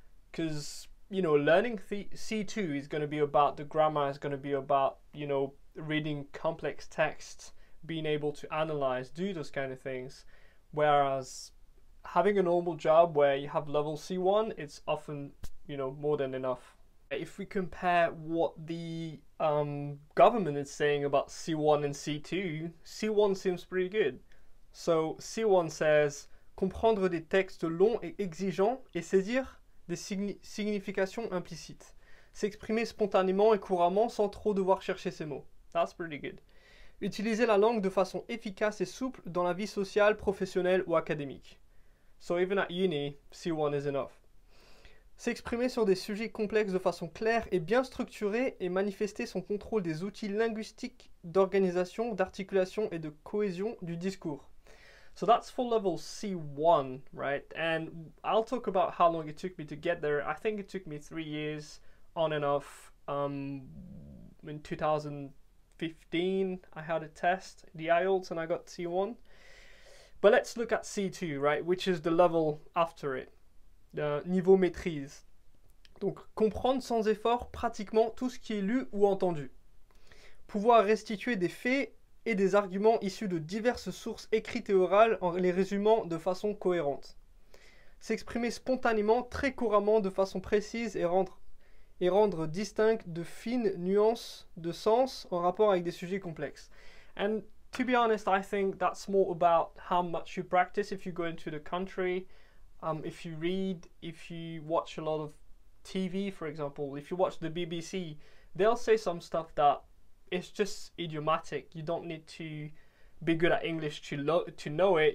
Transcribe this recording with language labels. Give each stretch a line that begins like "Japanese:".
English: Because, you know, learning C2 is going to be about the grammar, is going to be about, you know, reading complex texts, being able to analyze, do those kind of things. Whereas having a normal job where you have level C1, it's often, you know, more than enough. If we compare what the government is saying about C1 and C2, C1 seems pretty good. So C1 says,
French: comprendre des textes longs et exigeants et saisir des significations implicites. S'exprimer spontanément et couramment sans trop devoir chercher ses mots.
English: That's pretty good.
French: Utiliser la langue de façon efficace et souple dans la vie sociale, professionnelle ou académique.
English: So even at uni, C1 is enough.
French: S'exprimer sur des sujets complexes de façon claire et bien structurée et manifester son contrôle des outils linguistiques d'organisation, d'articulation et de cohésion du discours.
English: So that's for level C1, right? And I'll talk about how long it took me to get there. I think it took me 3 years on and off in 2015, I had a test, the IELTS, and I got C1. But let's look at C2, right, which is the level after it, the
French: niveau maîtrise. Donc, comprendre sans effort pratiquement tout ce qui est lu ou entendu. Pouvoir restituer des faits et des arguments issus de diverses sources écrites et orales en les résumant de façon cohérente. S'exprimer spontanément, très couramment, de façon précise et rendre distinct de fines nuances de sens en rapport avec des sujets complexes.
English: And to be honest, I think that's more about how much you practice if you go into the country, if you read, if you watch a lot of TV, for example, if you watch the BBC, they'll say some stuff that it's just idiomatic. You don't need to be good at English to know it.